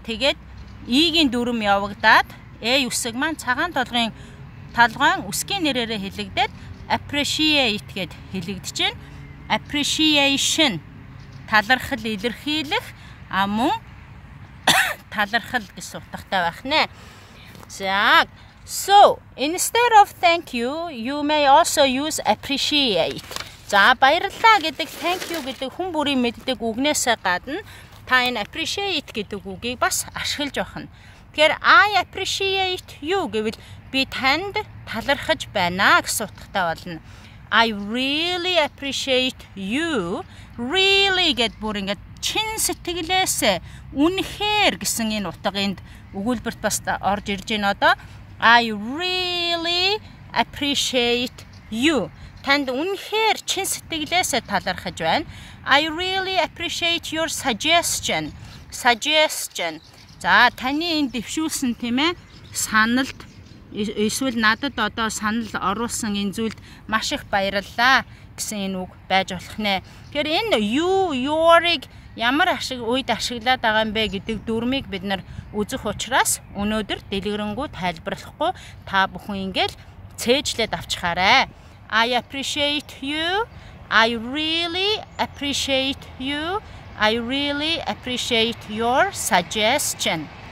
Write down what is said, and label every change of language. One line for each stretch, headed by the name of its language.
Mongolian: Тэгээд E-ийн дүрм явагдаад A үсэг маань цагаан толгойн толгойн үсгийн нэрээрээ хэлэгдээд appreciate гэд хэлэгдэж байна. Appreciation талархал илэрхийлэх, а мөн талархал гэсэн утгатай байх нэ.
English: За, so instead of thank you may also use appreciate.
Mongolian: За, баярлалаа гэдэг thank you гэдэг хүн бүрийн мэддэг үгнээсээ гадна та энэ appreciate гэдэг үгийг бас ашиглаж байна. Тэгэхээр I appreciate you гэвэл би танд талархаж байна гэсэн утгатай болно.
English: I really appreciate you.
Mongolian: Really гэд бүр ингээд чин сэтгэлээсээ үнэхээр гэсэн энэ утгаанд өгүүлбэрт бас орж ирж байна одоо.
English: I really appreciate you.
Mongolian: Танд үнэхээр чин сэтгэлээсээ талархаж байна.
English: I really appreciate your suggestion. Suggestion.
Mongolian: За, таны энэ дэвшүүлсэн тийм ээ саналд эсвэл надад одоо санал оруулсан энэ зүйлд маш их баярлалаа гэсэн энэ үг байж болох нэ. Тэгэхээр энэ your-ыг ямар ашиг үед ашиглаад байгаа юм бэ гэдэг дүрмийг бид нар үзэх учраас өнөөдөр дэлгэрэнгүй тайлбарлахгүй та бүхэн ингээл цээжлээд авчихаарэ.
English: I appreciate you. I really appreciate you. I really appreciate your suggestion.